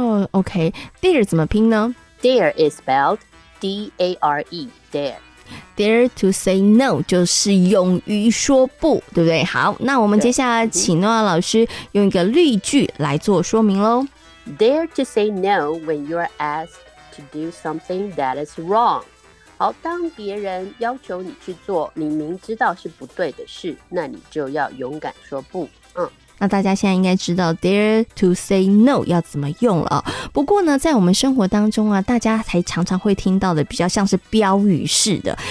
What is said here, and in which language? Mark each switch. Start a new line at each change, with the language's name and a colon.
Chinese: OK， dare 怎么拼呢？
English: dare is spelled D-A-R-E dare。 Dare to say no
Chinese: 就是勇于说不，对不对？好，那我们接下来请诺亚老师用一个例句来做说明咯。
English: Dare to say no when you are asked to do something that is wrong。
Chinese: 好，当别人要求你去做你明知道是不对的事，那你就要勇敢说不。那大家现在应该知道
English: dare to say no
Chinese: 要怎么用了。不过呢，在我们生活当中啊，大家才常常会听到的比较像是标语式的。